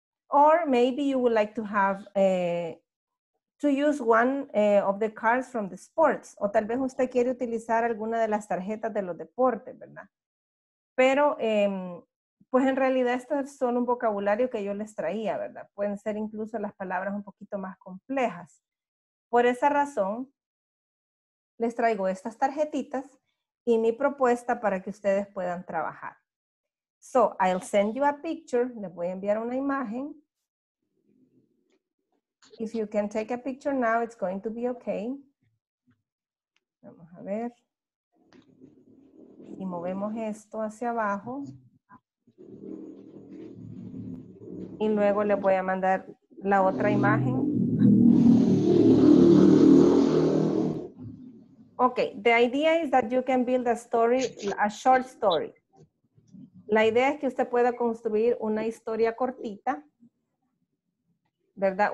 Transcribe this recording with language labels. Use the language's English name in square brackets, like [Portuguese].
[English] Or maybe you would like to have to use one of the cards from the sports. [Spanish] O tal vez usted quiere utilizar alguna de las tarjetas de los deportes, ¿verdad? Pero, pues en realidad estas son un vocabulario que yo les traía, ¿verdad? Pueden ser incluso las palabras un poquito más complejas. Por esa razón, les traigo estas tarjetitas y mi propuesta para que ustedes puedan trabajar. [English] So, I'll send you a picture. [Spanish] Les voy a enviar una imagen. [English] If you can take a picture now, it's going to be okay. [Spanish] Vamos a ver. Y movemos esto hacia abajo. Y luego les voy a mandar la otra imagen. [English] Okay, the idea is that you can build a story, a short story. [Spanish] La idea es que usted pueda construir una historia cortita, ¿verdad?